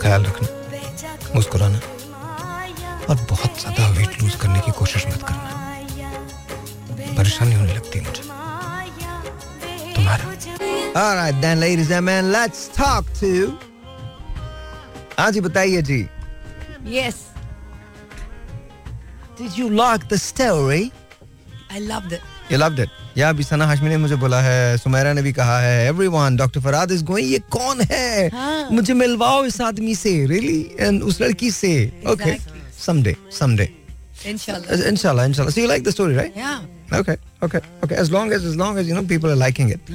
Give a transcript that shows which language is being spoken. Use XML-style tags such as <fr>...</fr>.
<hi>ख्याल रखना, मुस्कुराना और बहुत ज्यादा वेट लूज करने की कोशिश मत करना, परेशानी होने लगती है मुझे तुम्हारा।</hi> <en>All right then, ladies and men, let's talk to</en> <hi>हाँ जी बताइए जी.</hi> <en>Yes. Did you like the story? I loved it. You loved it.</en> <hi>Yeah, अभी सना हाशमी ने मुझे बोला है, सुमैरा ने भी कहा है, everyone, Dr.</hi> <en>Farad is going.</en> <hi>ये कौन है? हाँ. मुझे मिलवाओ इस आदमी से,</hi> <en>really, and</en> <hi>उस लड़की से.</hi> <en>Exactly. Okay. Someday, someday. Inshallah. Inshallah, inshallah. So you like the story, right? Yeah. Okay, okay, okay. As long as you know people are liking it.</en>